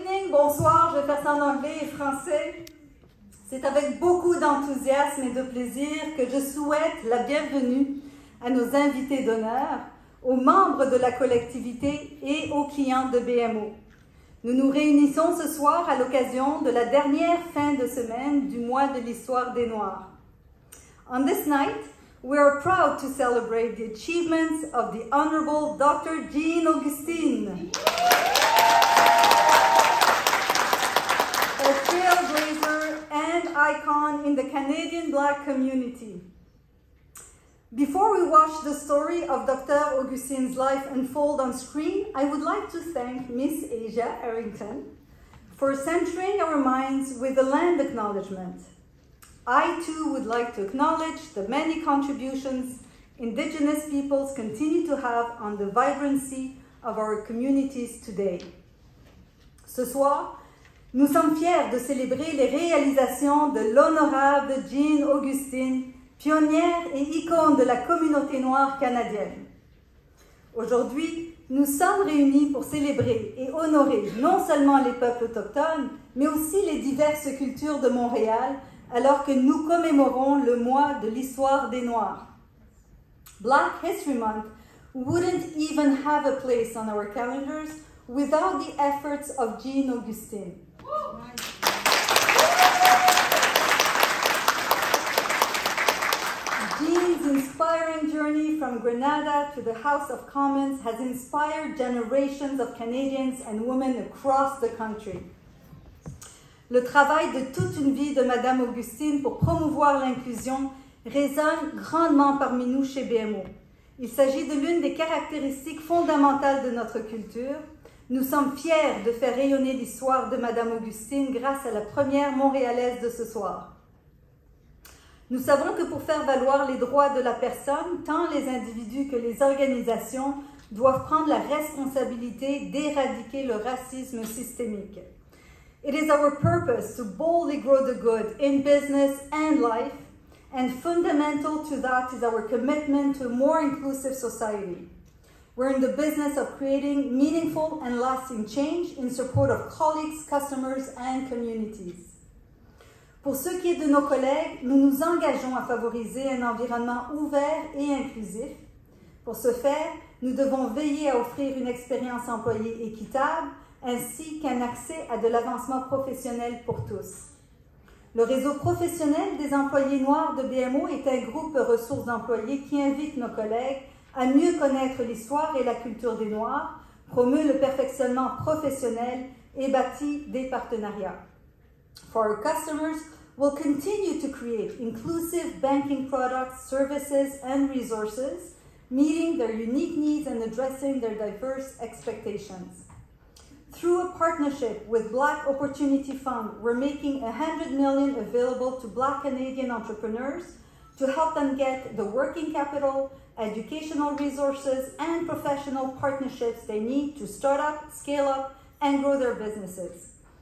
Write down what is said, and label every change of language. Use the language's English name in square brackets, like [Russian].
[French] Bonsoir, je vais faire ça en anglais et français. C'est avec beaucoup d'enthousiasme et de plaisir que je souhaite la bienvenue à nos invités d'honneur, aux membres de la collectivité et aux clients de BMO. Nous nous réunissons ce soir à l'occasion de la dernière fin de semaine du mois de l'histoire des Noirs. [English] On this night, we are proud to celebrate the achievements of the Honorable Dr. Jean Augustine. Icon in the Canadian Black community. Before we watch the story of Dr. Augustine's life unfold on screen, I would like to thank Miss Asia Arrington for centering our minds with the land acknowledgement. I too would like to acknowledge the many contributions Indigenous peoples continue to have on the vibrancy of our communities today. [French] Ce soir, nous sommes fiers de célébrer les réalisations de l'honorable Jean Augustine, pionnière et icône de la communauté noire canadienne. Aujourd'hui, nous sommes réunis pour célébrer et honorer non seulement les peuples autochtones, mais aussi les diverses cultures de Montréal, alors que nous commémorons le mois de l'histoire des Noirs. [English] Black History Month wouldn't even have a place on our calendars without the efforts of Jean Augustine. Jean's inspiring journey from Grenada to the House of Commons has inspired generations of Canadians and women across the country. [French] Le travail de toute une vie de Madame Augustine pour promouvoir l'inclusion résonne grandement parmi nous chez BMO. Il s'agit de l'une des caractéristiques fondamentales de notre culture. Nous sommes fiers de faire rayonner l'histoire de Madame Augustine grâce à la première Montréalaise de ce soir. Nous savons que pour faire valoir les droits de la personne, tant les individus que les organisations doivent prendre la responsabilité d'éradiquer le racisme systémique. [English] It is our purpose to boldly grow the good in business and life, and fundamental to that is our commitment to a more inclusive society. We're in the business of creating meaningful and lasting change in support of colleagues, customers, and communities. [French] Pour ce qui est de nos collègues, nous nous engageons à favoriser un environnement ouvert et inclusif. Pour ce faire, nous devons veiller à offrir une expérience employée équitable, ainsi qu'un accès à de l'avancement professionnel pour tous. Le réseau professionnel des employés noirs de BMO est un groupe ressources d'employés qui invite nos collègues à mieux connaître l'histoire et la culture des Noirs, promeut le perfectionnement professionnel et bâtit des partenariats. [English] For our customers, we'll continue to create inclusive banking products, services, and resources, meeting their unique needs and addressing their diverse expectations. Through a partnership with Black Opportunity Fund, we're making $100 million available to Black Canadian entrepreneurs to help them get the working capital, educational resources, and professional partnerships they need to start up, scale up, and grow their businesses.